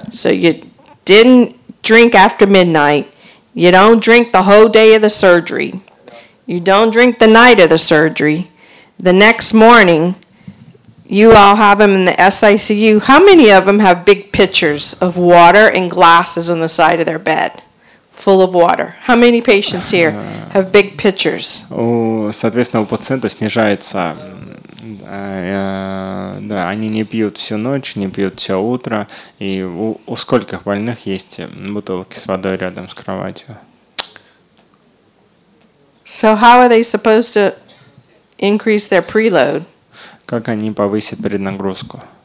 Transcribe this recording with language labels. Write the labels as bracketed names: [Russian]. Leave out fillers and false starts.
[English] So you didn't drink after midnight, you don't drink the whole day of the surgery, you don't drink the night of the surgery, the next morning, you all have them in the SICU. How many of them have big pitchers of water and glasses on the side of their bed, full of water? How many patients here have big pitchers? [Russian] Соответственно, у пациента снижается... Да, они не пьют всю ночь, не пьют все утро. И у скольких больных есть бутылки с водой рядом с кроватью? [English] So how are they supposed to increase their preload? [Russian] Как они повысят преднагрузку?